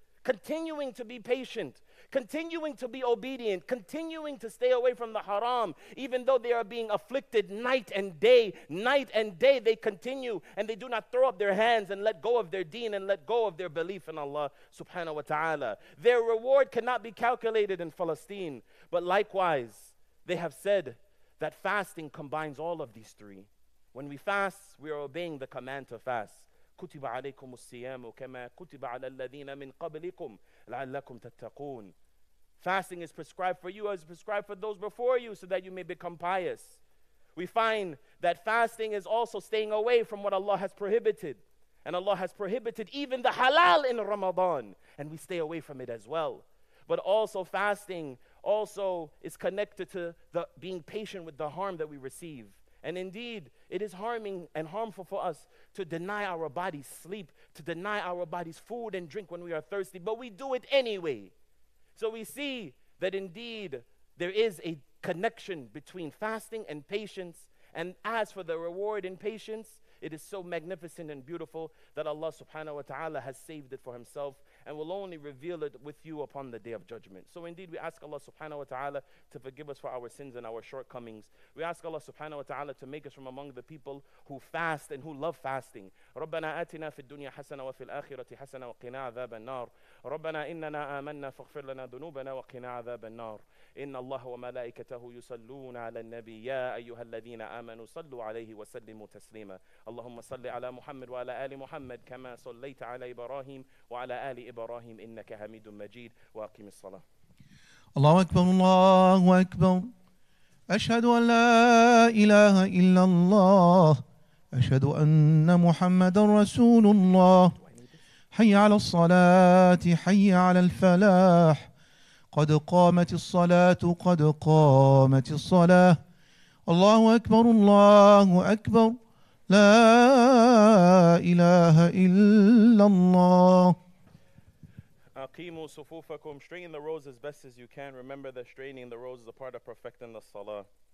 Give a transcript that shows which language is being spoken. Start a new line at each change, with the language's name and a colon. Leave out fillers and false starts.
English: Continuing to be patient, continuing to be obedient, continuing to stay away from the haram, even though they are being afflicted night and day, they continue and they do not throw up their hands and let go of their deen and let go of their belief in Allah subhanahu wa ta'ala. Their reward cannot be calculated in Palestine. But likewise, they have said that fasting combines all of these three. When we fast, we are obeying the command to fast.
Arabic: كتب عليكم الصيام كما كتب على الذين من قبلكم لعلكم تتقون.
English: Fasting is prescribed for you as prescribed for those before you so that you may become pious. We find that fasting is also staying away from what Allah has prohibited. And Allah has prohibited even the halal in Ramadan. And we stay away from it as well. But also fasting also is connected to the being patient with the harm that we receive. And indeed, it is harming and harmful for us to deny our bodies sleep, to deny our bodies food and drink when we are thirsty, but we do it anyway. So we see that indeed there is a connection between fasting and patience. And as for the reward in patience, it is so magnificent and beautiful that Allah subhanahu wa ta'ala has saved it for himself and will only reveal it with you upon the day of judgment. So indeed, we ask Allah subhanahu wa ta'ala to forgive us for our sins and our shortcomings. We ask Allah subhanahu wa ta'ala to make us from among the people who fast and who love fasting.
Arabic: رَبَّنَا آتِنَا فِي الدُّنْيَا حَسَنَ وَفِي الْآخِرَةِ حَسَنَ وَقِنَا عَذَابَ النَّارِ رَبَّنَا إِنَّنَا آمَنَّا فَاغْفِرْ لَنَا ذُنُوبَنَا وَقِنَا عَذَابَ النَّارِ إن الله وملائكته يصلون على النبي يا أيها الذين آمنوا صلوا عليه وسلموا تسليما اللهم صل على محمد وعلى آل محمد كما صليت على إبراهيم وعلى آل إبراهيم إنك حميد مجيد وأقم الصلاة. الله أكبر الله أكبر أشهد أن لا إله إلا الله أشهد أن محمدا رسول الله حي على الصلاة حي على الفلاح قد قامت الصلاة قد قامت الصلاة الله أكبر الله أكبر لا إله إلا الله. أقيموا صفوفكم.
English: Straighten the rows as best as you can. Remember that straightening the rows is a part of perfecting the salah.